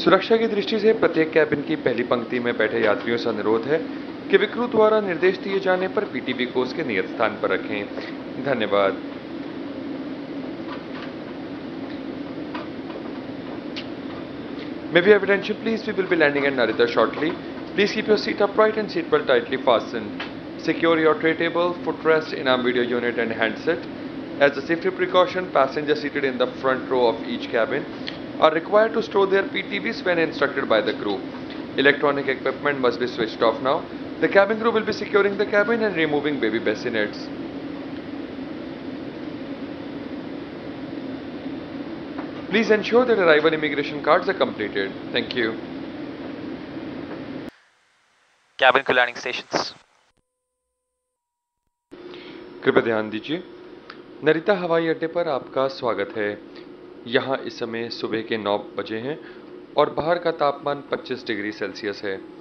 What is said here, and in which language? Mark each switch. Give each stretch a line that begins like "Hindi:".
Hindi: सुरक्षा की दृष्टि से प्रत्येक कैबिन की पहली पंक्ति में बैठे यात्रियों से अनुरोध है कि विक्रू द्वारा निर्देश दिए जाने पर पीटीबी को उसके नियत स्थान पर रखें. धन्यवाद.
English: May be attention please, we will be landing at Narita shortly. Please keep your seat upright and seat belt tightly fastened. Secure your tray table, footrest, in-arm video unit and handset. As a safety precaution, passengers seated in the front row of each cabin are required to store their PTVs when instructed by the crew. Electronic equipment must be switched off now. The cabin crew will be securing the cabin and removing baby bassinets. Please ensure that arrival immigration cards are completed. Thank you. Cabin के landing stations.
Hindi: कृपया ध्यान दीजिए, नरिता हवाई अड्डे पर आपका स्वागत है. यहाँ इस समय सुबह के 9 बजे हैं और बाहर का तापमान 25 डिग्री सेल्सियस है.